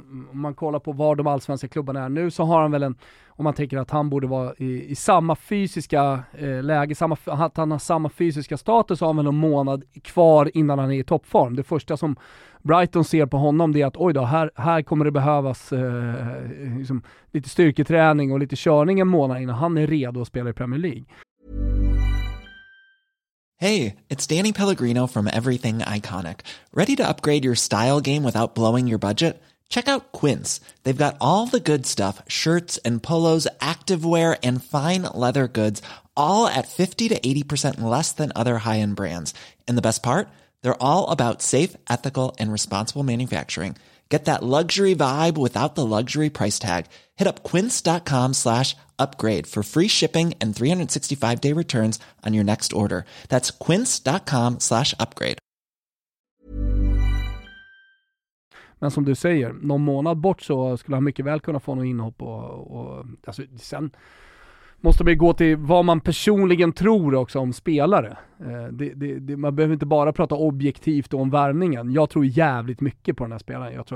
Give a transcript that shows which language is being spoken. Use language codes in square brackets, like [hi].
[sv] Om man kollar på var de allsvenska klubbarna är nu, så har han väl en, om man tänker att han borde vara i samma fysiska läge, att han har samma fysiska status, så har han väl en månad kvar innan han är i toppform. Det första som Brighton ser på honom är att oj då, här kommer det behövas liksom, lite styrketräning och lite körning en månad innan han är redo att spela i Premier League. [en] Hey, it's Danny Pellegrino from Everything Iconic. Ready to upgrade your style game without blowing your budget? Check out Quince. They've got all the good stuff, shirts and polos, activewear and fine leather goods, all at 50 to 80% less than other high-end brands. And the best part? They're all about safe, ethical and responsible manufacturing. Get that luxury vibe without the luxury price tag. Hit up quince.com/upgrade for free shipping and 365-day returns on your next order. That's quince.com/upgrade. [sv] Men som du säger, någon månad bort så skulle han mycket väl kunna få någon inhopp. Och sen måste man gå till vad man personligen tror också om spelare. Man behöver inte bara prata objektivt om värvningen. Jag tror jävligt mycket på den här spelaren.